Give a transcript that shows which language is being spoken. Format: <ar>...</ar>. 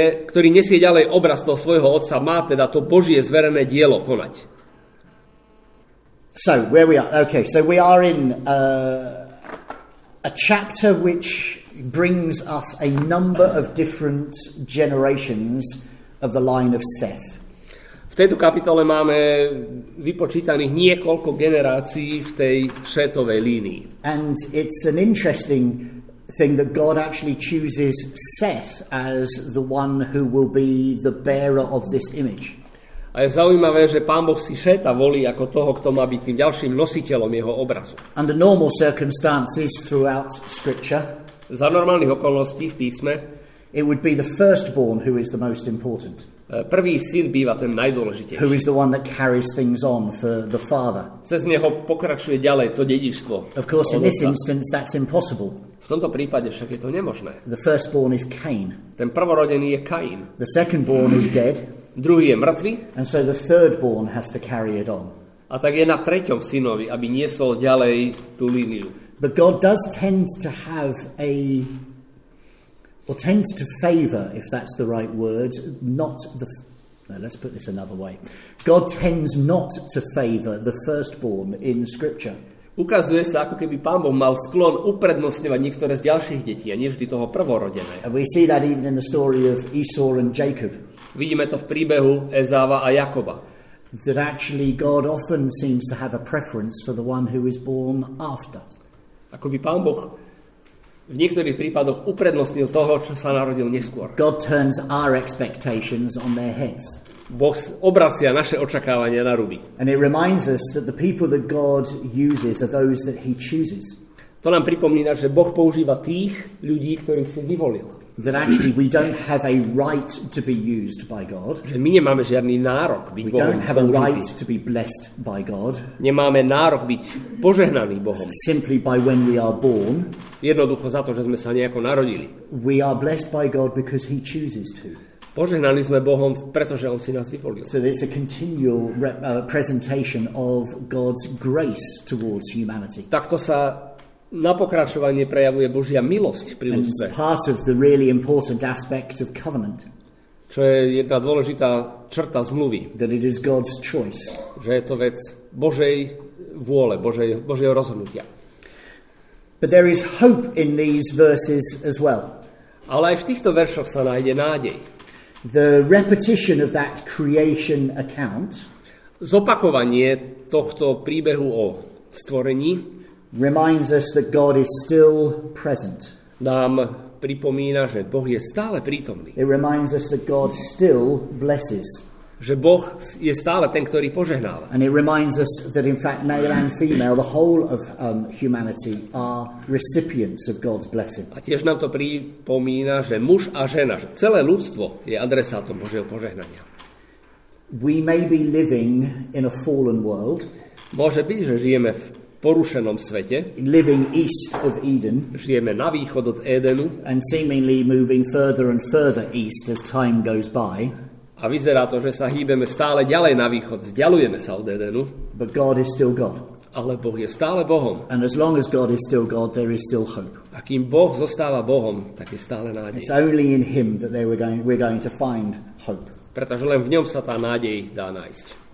<sk>Ktorý nesie ďalej obraz toho svojho otca, má teda to Božie zverené dielo konať.</sk> <en>So, where we are? Okay, so we are in a chapter which brings us a number of different generations of the line of Seth.</en> <sk>V tejto kapitole máme vypočítaných niekoľko generácií v tej Šétovej línii.</sk> <en>And it's an interesting thing that God actually chooses Seth as the one who will be the bearer of this image.</en> <sk>A je zaujímavé, že Pán Boh si Šéta volí ako toho, kto má byť tým ďalším nositeľom jeho obrazu.</sk> <en>Under normal circumstances throughout scripture,</en> <sk>za normálnych okolností v písme,</sk> <en>it would be the firstborn who is the most important.</en> <sk>Prvý syn býva ten najdôležitejší.</sk> <en>Who is the one that carries things on for the father.</en> <sk>Cez neho pokračuje ďalej to dedičstvo.</sk> <en>Of course, in this instance, that's impossible.</en> <sk>V tomto prípade však je to nemožné.</sk> <en>The firstborn is Cain.</en> <sk>Ten prvorodený je Kain.</sk> <en>The secondborn is dead.</en> <sk>Druhý je mŕtvy.</sk> <en>And so the thirdborn has to carry it on.</en> <sk>A tak je na treťom synovi, aby niesol ďalej tú líniu.</sk> <en>But God does tend to have a... Or tends to favor, if that's the right word, not the Let's put this another way. God tends not to favor the firstborn in Scripture.</en> <sk>Ukazuje sa, ako keby Pán Boh mal sklon uprednostňovať niektoré z ďalších detí a nie vždy toho prvorodené.</sk> <en>And we see that even in the story of Esau and Jacob.</en> <sk>Vidíme to v príbehu Ezáva a Jakoba.</sk> <en>That actually God often seems to have a preference for the one who is born after.</en> <sk>Ako by Pán Boh v niektorých prípadoch uprednostnil toho, čo sa narodil neskôr.</sk> <en>God turns our expectations on their heads.</en> <sk>Boh obracia naše očakávania na ruby.</sk> <en>And it reminds us that the people that God uses are those that he chooses.</en> <sk>To nám pripomína, že Boh používa tých ľudí, ktorých si vyvolil.</sk> <en>That actually we don't have a right to be used by God.</en> <sk>Že my nemáme žiadny nárok byť Bohom.</sk> <en>We don't have a right to be blessed by God.</en> <sk>Nemáme nárok byť požehnaný Bohom.</sk> <en>Simply by when we are born.</en> <sk>Jednoducho za to, že sme sa nejako narodili.</sk> <en>We are blessed by God because he chooses to.</en> <sk>Požehnaní sme Bohom, pretože on si nás vyvolil.</sk> <en>So it's a continual presentation of God's grace towards humanity.</en> <sk>Takto sa na pokračovanie prejavuje Božia milosť pri ľudstve.</sk> <en>It's part of the really important aspect of covenant.</en> <sk>Čo je jedna dôležitá črta zmluvy.</sk> <en>That it is God's choice.</en> <sk>Že je to vec Božej vôle, Božieho rozhodnutia.</sk> <en>But there is hope in these verses as well.</en> <sk>Ale aj v týchto veršoch sa nájde nádej.</sk> <en>The repetition of that creation account.</en> <sk>Zopakovanie tohto príbehu o stvorení</sk> <en>reminds us that God is still present.</en> <sk>Nám pripomína, že Boh je stále prítomný.</sk> <en>It reminds us that God still blesses.</en> <sk>Že Boh je stále ten, ktorý požehnáva.</sk> <en>And it reminds us that in fact male and female, the whole of humanity are recipients of God's blessing.</en> <sk>A tiež nám to pripomína, že muž a žena, že celé ľudstvo je adresátom Božieho požehnania.</sk> <en>We may be living in a fallen world.</en> <sk>Môže byť, že žijeme v porušenom svete.</sk> <en>Living east of Eden.</en> <sk>Žijeme na východ od Édenu.</sk> <en>And seemingly moving further and further east as time goes by.</en> <sk>A vyzerá to, že sa hýbeme stále ďalej na východ, vzdialujeme sa od Edenu.</sk> <en>But God is still God.</en> <sk>Ale Boh je stále Bohom.</sk> <en>And as long as God is still God, there is still hope.</en> <sk>A kým Boh zostáva Bohom, tak je stále nádej.</sk> <en>It's only in him that we're going to find hope.</en> <sk>Pretože len v ňom sa tá nádej dá nájsť.</sk>